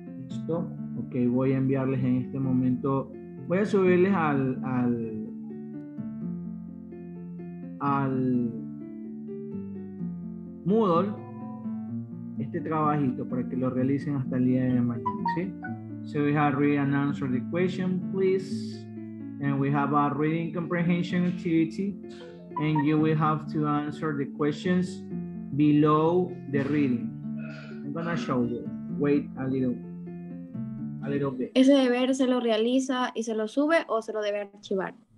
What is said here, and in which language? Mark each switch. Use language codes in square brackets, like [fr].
[es] Listo. Ok, voy a enviarles en este momento. Voy a subirles al Moodle este trabajito para que lo realicen hasta el día de mañana, ¿sí? [en] So we have read and answer the question, please. And we have a reading comprehension activity. And you will have to answer the questions below the reading. I'm gonna show you. Wait a little bit. [es] ¿Ese deber se lo realiza y se lo sube o se lo debe archivar?